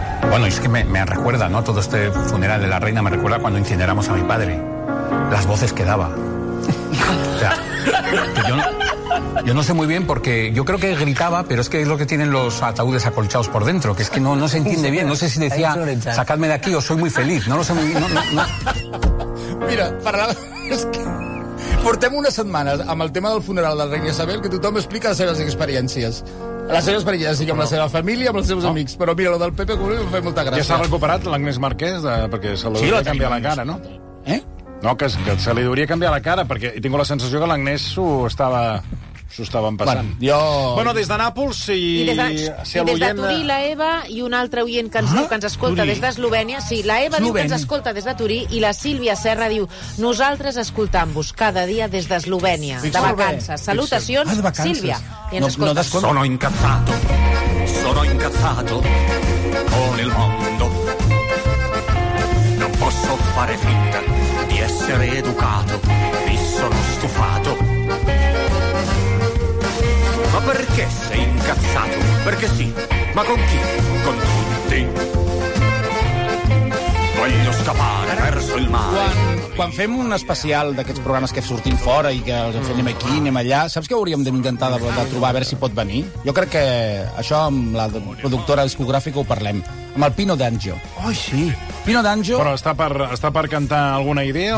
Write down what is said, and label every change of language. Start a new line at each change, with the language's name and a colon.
Spanish: Bueno, es que me recuerda, ¿no? Todo este funeral de la reina me recuerda cuando incineramos a mi padre. Las voces que daba. O sea, yo no sé muy bien porque yo creo que gritaba, pero es que es lo que tienen los ataúdes acolchados por dentro, que es que no se entiende bien. No sé si decía, sacadme de aquí o soy muy feliz. No lo sé muy bien. No. Mira, para la... Es que...
Catalan: Portem unes setmanes amb el tema del funeral de la reina Isabel, que tothom explica les seves experiències. Les seves experiències, sí, amb la seva família, amb els seus amics. Però mira, lo del Pepe Colubi em fa molta gràcia. Ja s'ha recuperat l'Agnès Marquès, perquè se li hauria canviat la cara, no? No, que se li hauria canviat la cara, perquè he tingut la sensació que l'Agnès s'ho estava empassant. Bueno, jo... Bueno, des de Nàpols, si... I des de Turí, la Eva, i un altre oient que ens escolta Turí. Des d'Eslovènia. Sí, la Eva diu que ens escolta des de Turí, i la Sílvia Serra diu, nosaltres escoltant-vos cada dia des d'Eslovènia, de vacances. Salutacions, de vacances. Sílvia. No descolta.
Italian: Sono incazzato con el mundo. No posso fare finta di essere educato, mi sono stufato. Ma perché sei incazzato? Perché sì, ma con chi? Con tutti. Voglio scappare verso il mare.
Catalan: Quan fem un especial d'aquests programes que sortim fora i que els fem aquí, anem allà, saps que hauríem d'intentar de trobar a veure si pot venir? Jo crec que això amb la productora discogràfica ho parlem. Amb el Pino D'Angio. Oh, sí. Pino D'Angio... Però està per cantar alguna idea